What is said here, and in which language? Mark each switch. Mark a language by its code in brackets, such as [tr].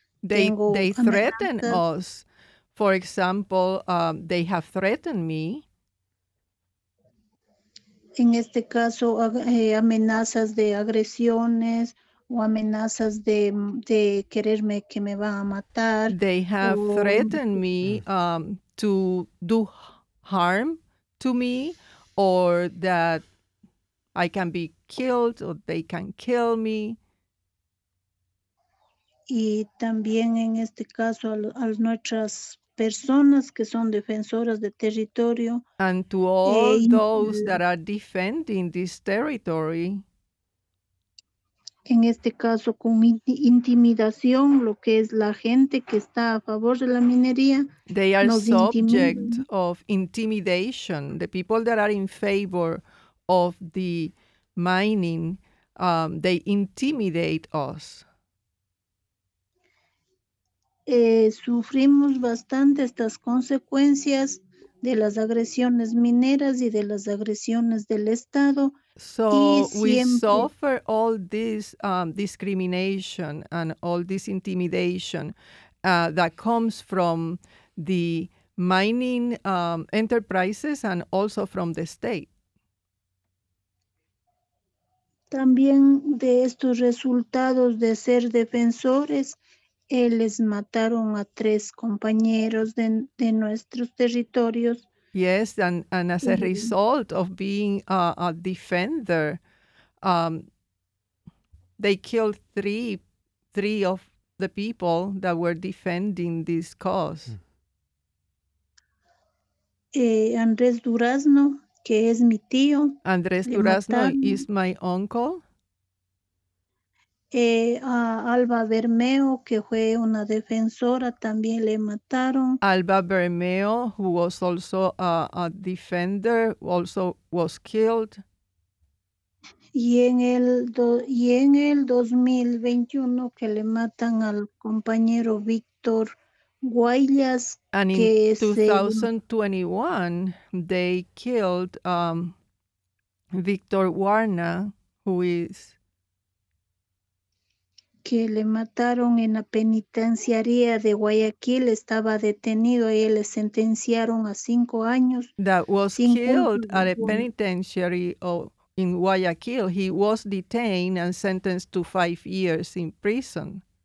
[en] They threaten us. For example, they have threatened me. [es] En este caso, amenazas de agresiones o amenazas de quererme que me van a matar. [en] They have threatened me to do harm to me, or that I can be killed, or they can kill me. [es] Y también en este caso a nuestras personas que son defensoras de territorio. [en] And to all those that are defending this territory. [es] En este caso, con intimidación, lo que es la gente que está a favor de la minería. [en] They are subject of intimidation. The people that are in favor of the mining, they intimidate us. [es] Sufrimos bastante estas consecuencias de las agresiones mineras y de las agresiones del Estado. [en] So we suffer all this discrimination and all this intimidation that comes from the mining enterprises and also from the state. [es] También de estos resultados de ser defensores, les mataron a tres compañeros de nuestros territorios. [en] Yes, and as a result of being a defender, they killed three of the people that were defending this cause. [es] Andrés Durazno, que es mi tío. [en] Andrés Durazno is my uncle. [es] Alba Bermeo, que fue una defensora, también le mataron. [en] Alba Bermeo, who was also a defender, also was killed. [es] Y en el 2021, que le matan al compañero Víctor Guayas. [en] And in 2021, they killed Víctor Warna, who is... [es] que le mataron en la penitenciaría de Guayaquil, estaba detenido y le sentenciaron a 5 años. [en] That was killed at a penitentiary in Guayaquil. He was detained and sentenced to 5 years in prison.